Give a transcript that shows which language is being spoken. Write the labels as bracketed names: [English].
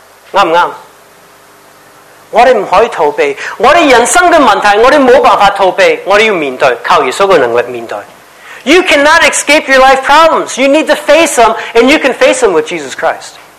[Cantonese] 对不对？我们不可以逃避我们人生的问题，我们没有办法逃避，我们要面对，靠耶稣的能力面对。 [English] You cannot escape your life problems. You need to face them, and you can face them with Jesus Christ.